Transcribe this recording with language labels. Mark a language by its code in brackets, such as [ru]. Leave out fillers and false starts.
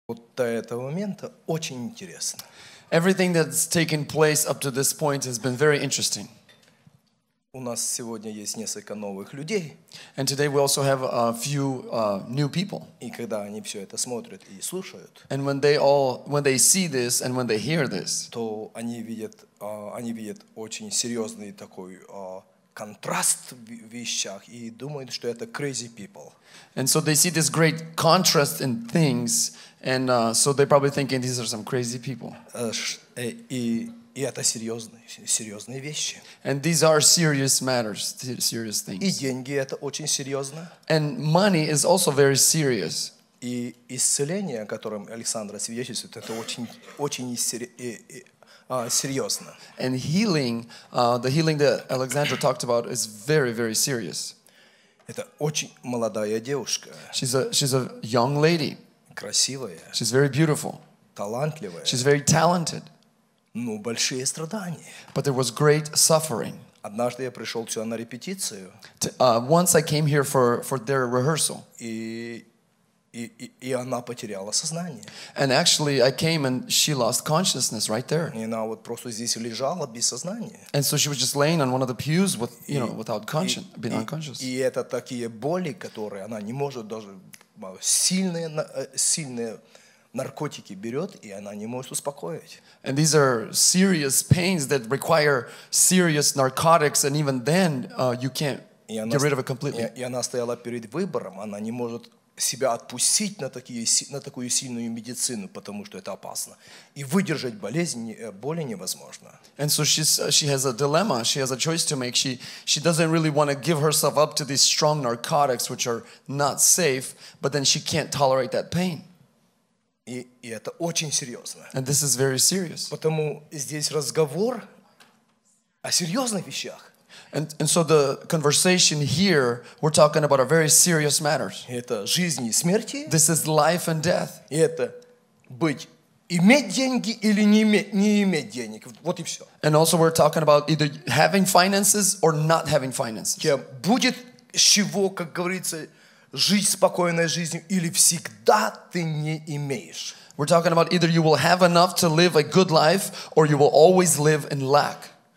[ru] Вот до этого момента очень интересно. [en] Everything that's taken place up to this point has been very interesting. [ru] У нас сегодня есть несколько новых людей. [en] And today we also have a few new people. [ru] И когда они все это смотрят и слушают, [en] and when they see this and when they hear this, [ru] то они видят очень серьезный такой контраст в вещах и думают, что это [en] crazy people. And so they see this great contrast in things, and so they're probably thinking these are some crazy people. [ru] И это серьезные вещи. [en] And these are serious matters, serious things. [ru] И деньги это очень серьезно. [en] And money is also very serious. [ru] И исцеление, о котором Александра свидетельствует, это очень серьезно. [en] And healing, the healing that Alexandra talked about is very, very serious. [ru] Это очень молодая девушка. [en] She's a young lady. [ru] Красивая. [en] She's very beautiful. [ru] Талантливая. [en] She's very talented. [ru] Ну, большие страдания. [en] But there was great suffering. [ru] Однажды я пришел сюда на репетицию. [en] Once I came here for their rehearsal. [ru] И она потеряла сознание. [en] And actually, I came and she lost consciousness right there. [ru] И она вот просто здесь лежала без сознания. [en] And so she was just laying on one of the pews with, you know, without conscience, being unconscious. [ru] И это такие боли, которые она не может даже сильные наркотики берет, и она не может успокоить. [en] And these are serious pains that require serious narcotics, and even then you can't get rid of it completely. [ru] И она стояла перед выбором, она не может себя отпустить на такую сильную медицину, потому что это опасно. И выдержать боли невозможно. [en] And so she has a dilemma. She has a choice to make. She doesn't really want to give herself up to these strong narcotics, which are not safe, but then she can't tolerate that pain. [ru] И это очень серьезно. [en] And this is very serious. [ru] Потому здесь разговор о серьезных вещах. [en] And so the conversation here, we're talking about a very serious matter. [ru] Это жизнь и смерти. [en] This is life and death. [ru] И это быть, иметь деньги или не иметь денег. Вот и все. [en] And also we're talking about either having finances or not having finances. [ru] Кем будет чего, как говорится, жить спокойной жизнью или всегда ты не имеешь. [en] We're talking about either you will have enough to live a good life or you will always live in lack.